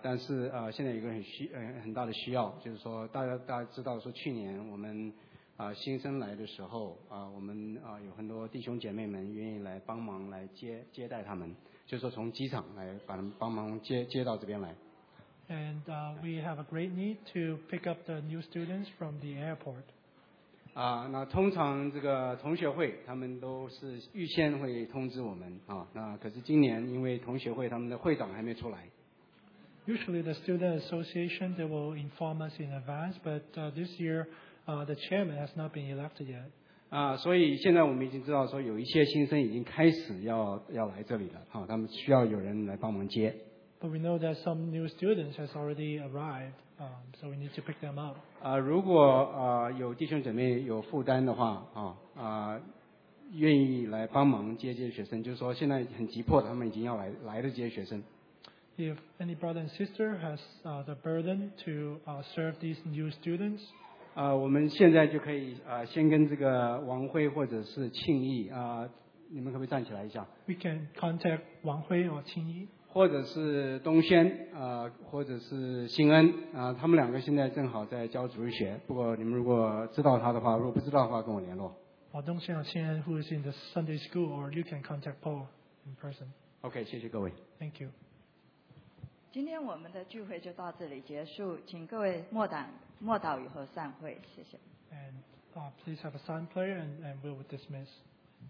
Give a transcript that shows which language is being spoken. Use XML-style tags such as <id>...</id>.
<zh>但是现在有一个很大的需要，就是说大家知道说去年我们新生来的时候，我们有很多弟兄姐妹们愿意来帮忙来接待他们，就是说从机场来把他们帮忙接到这边来。</zh> <en>And we have a great need to pick up the new students from the airport.</en> <zh>那通常这个同学会他们都是预先会通知我们啊，那可是今年因为同学会他们的会长还没出来。</zh> <en>Usually the student association they will inform us in advance, but this year the chairman has not been elected yet.</en> <zh>所以现在我们已经知道说有一些新生已经开始要来这里了，他们需要有人来帮忙接。</zh> <en>But we know that some new students has already arrived, so we need to pick them up.</en> <zh>如果有弟兄姐妹有负担的话，愿意来帮忙接学生，就是说现在很急迫，他们已经要来的接学生。</zh> <en>If any brother and sister has the burden to serve these new students,</en> <zh>我们现在就可以先跟这个王辉或者是庆义你们可不可以站起来一下</zh> <en>？We can contact 王辉 or 庆义，</en> <zh>或者是东轩或者是新恩他们两个现在正好在教主日学。不过你们如果知道他的话，如果不知道的话，跟我联络。</zh> <en>Or 东轩 or 庆恩 who is in the Sunday school, or you can contact Paul in person.</en> <zh>Okay, 谢谢各位。</zh> <en>Thank you.</en> <zh>今天我们的聚会就到这里结束，请各位默祷以后散会，谢谢。</zh> <en>And please have a sign prayer and we will dismiss.</en>